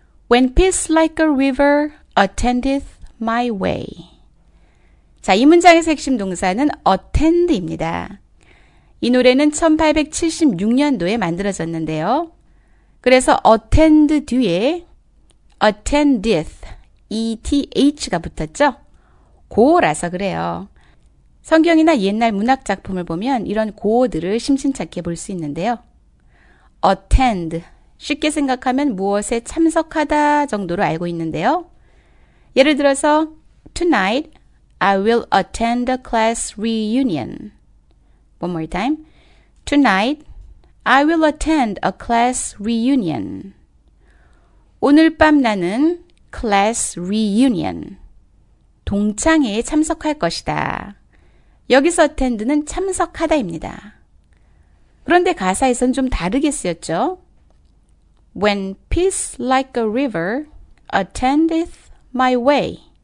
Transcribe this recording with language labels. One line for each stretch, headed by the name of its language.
English: When peace like a river attendeth my way.
Korean: 자, 이 문장의 핵심 동사는 attend입니다. 이 노래는 1876년도에 만들어졌는데요. 그래서 attend 뒤에 attendeth, eth가 붙었죠? 고어라서 그래요. 성경이나 옛날 문학 작품을 보면 이런 고어들을 심심찮게 볼 수 있는데요. attend, 쉽게 생각하면 무엇에 참석하다 정도로 알고 있는데요. 예를 들어서
English: tonight I will attend a class reunion. One more time. Tonight I will attend a class reunion.
Korean: 오늘 밤 나는
English: class reunion.
Korean: 동창회에 참석할 것이다. 여기서 attend는 참석하다입니다. 그런데 가사에선 좀 다르게 쓰였죠?
English: When peace like a river attendeth my way.